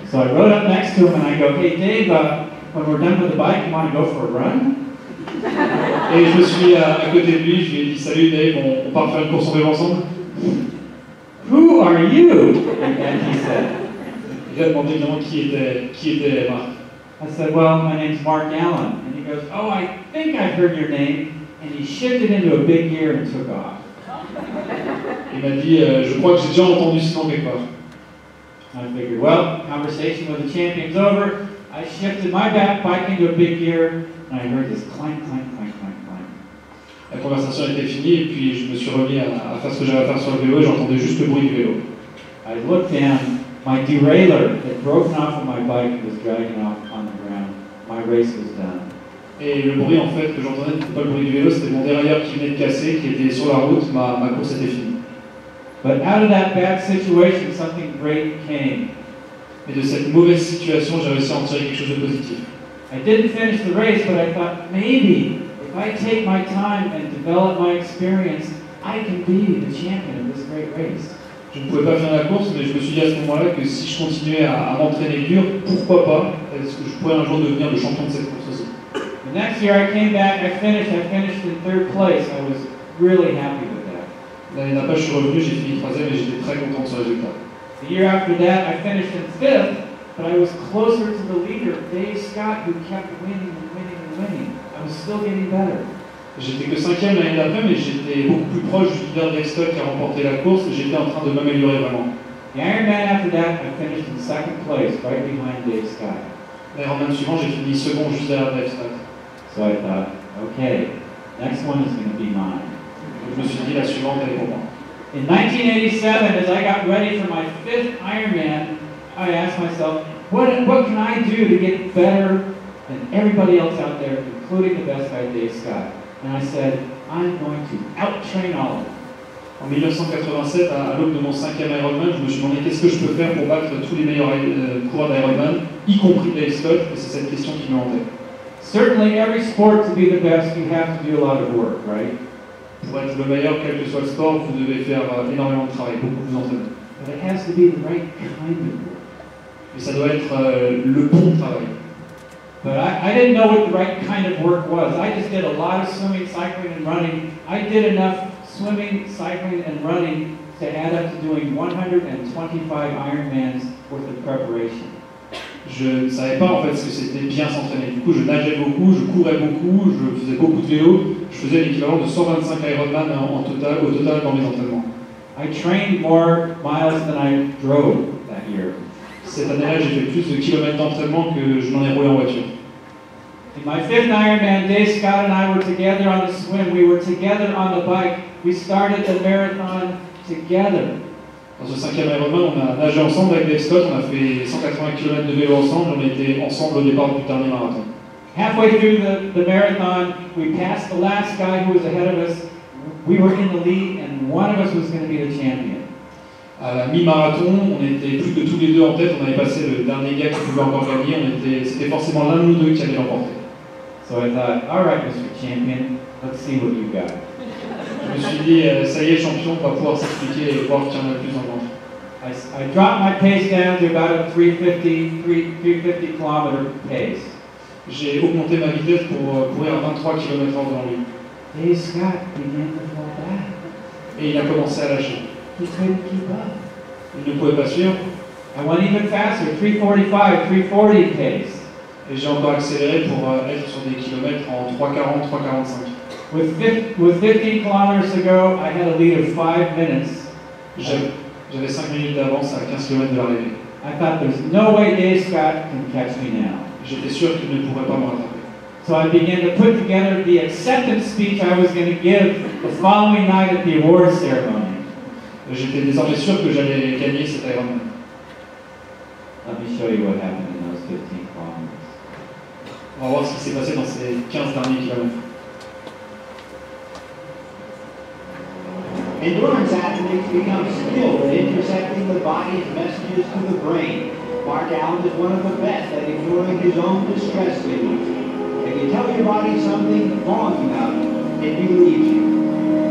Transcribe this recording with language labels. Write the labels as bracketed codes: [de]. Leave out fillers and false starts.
[en] So I rode up next to him and I go, hey Dave, when we're done with the bike, you want to go for a run? [fr] Et je suis à côté de lui, je lui ai dit, salut Dave, on part faire une course en vélo ensemble? [en] Who are you? And he said. [fr] Il a demandé évidemment qui était Marc. [en] I said, well, my name's Mark Allen. And he goes, oh, I think I've heard your name. And he shifted into a big gear and took off. [fr] Il m'a dit, je crois que j'ai déjà entendu ce nom quelque part. [en] I figured, well, conversation with the champion's over. I shifted my bike into a big gear, and I heard this clank, clank, clank, clank, clank. [fr] La conversation était finie, et puis je me suis remis à faire ce que j'avais à faire sur le vélo, et j'entendais juste le bruit du vélo. [en] I looked down. My derailleur had broken off of my bike and was dragging off on the ground. My race was done. [fr] Et le bruit, en fait, que j'entendais, n'était pas le bruit du vélo, c'était mon derrière qui venait de casser, qui était sur la route, ma course était finie. [en] But out of that bad situation, something great came. [fr] Et de cette mauvaise situation, j'ai réussi à en tirer quelque chose de positif. [en] I didn't finish the race, but I thought, maybe, if I take my time and develop my experience, I can be the champion of this great race. [fr] Je ne pouvais pas finir la course, mais je me suis dit à ce moment-là que si je continuais à m'entraîner dur, pourquoi pas, est-ce que je pourrais un jour devenir le champion de cette course aussi. [en] The next year, I came back, I finished in third place. I was really happy with that. [fr] L'année d'après, je suis revenu, j'ai fini troisième et j'étais très content de ce résultat. [en] The year after that, I finished in fifth, but I was closer to the leader, Dave Scott, who kept winning and winning and winning. I was still getting better. [fr] J'étais que cinquième l'année d'après, mais j'étais beaucoup plus proche du leader Dave Scott qui a remporté la course et j'étais en train de m'améliorer vraiment. [en] The Ironman after that, I finished in second place, right behind Dave Scott. [fr] L'Ironman suivant, j'ai fini second juste derrière Dave Scott. [en] So I thought, okay, next one is going to be mine. [fr] Je me suis dit, la suivante, elle est pour moi. [en] In 1987, as I got ready for my fifth Ironman, I asked myself, what can I do to get better than everybody else out there, including the best guy, Dave Scott? And I said, I'm going to out-train all of them. [fr] En 1987, à l'aube de mon cinquième Ironman, je me suis demandé qu'est-ce que je peux faire pour battre tous les meilleurs coureurs d'Ironman, y compris Dave Scott, et c'est cette question qui me hantait. [en] Certainly, every sport to be the best, you have to do a lot of work, right? [fr] Pour être le meilleur, quel que soit le sport, vous devez faire énormément de travail, beaucoup vous entraînez. [en] But it has to be the right kind of work. [fr] Mais ça doit être le bon travail. [en] But I didn't know what the right kind of work was. I just did a lot of swimming, cycling, and running. I did enough swimming, cycling, and running to add up to doing 125 Ironmans worth of preparation. [fr] Je ne savais pas en fait ce que c'était bien s'entraîner. Du coup, je nageais beaucoup, je courais beaucoup, je faisais beaucoup de vélo. Je faisais l'équivalent de 125 Ironman au total dans mes entraînements. [en] I trained more miles than I drove that year. [fr] Cette année-là, j'ai fait plus de kilomètres d'entraînement que je n'en ai roulé en voiture. [en] In my fifth Ironman, Dave Scott and I were together on the swim. We were together on the bike. We started the marathon together. [fr] Dans ce cinquième Ironman, on a nagé ensemble avec Dave Scott. On a fait 180 km de vélo ensemble. On était ensemble au départ du dernier marathon. [en] Halfway through the marathon, we passed the last guy who was ahead of us, We were in the lead, and one of us was going to be the champion. [fr] À la mi-marathon, on était plus que tous les deux en tête. On avait passé le dernier gars qui pouvait encore gagner. C'était forcément l'un ou deux qui allait l'emporter. [en] So I thought, all right, Mr. Champion, let's see what you got. [fr] Je me suis dit, ça y est, champion, on va pouvoir s'expliquer et voir qui en a le plus en grand. [en] I dropped my pace down to about a 350 kilometer pace. [fr] J'ai augmenté ma vitesse pour courir à 23 km/h devant lui. [en] Dave Scott began to fall back. [fr] Et il a commencé à lâcher. [en] He couldn't keep up. [fr] Il ne pouvait pas suivre. [en] I went even faster, 345, 340 pace. [fr] Et j'ai encore accéléré pour être sur des kilomètres en 340, 345. [en] With 15 kilometers to go, I had a lead of 5 minutes. [fr] J'avais 5 minutes d'avance à 15 km de l'arrivée. [en] I thought there's no way Dave Scott can catch me now. [fr] J'étais sûr qu'il ne pourrait pas me rattraper. [en] So I began to put together the acceptance speech I was going to give the following night at the awards ceremony. [fr] J'étais désormais sûr que j'allais gagner cet Ironman. [en] Let me show you what happened in those 15 kilometers. [fr] On va voir ce qui s'est passé dans ces 15 derniers kilomètres. [en] Endurance athletes become skilled at intersecting the body's messages to the brain. Mark Allen is one of the best at ignoring his own distress signals. If you tell your body something wrong about it, it believes you.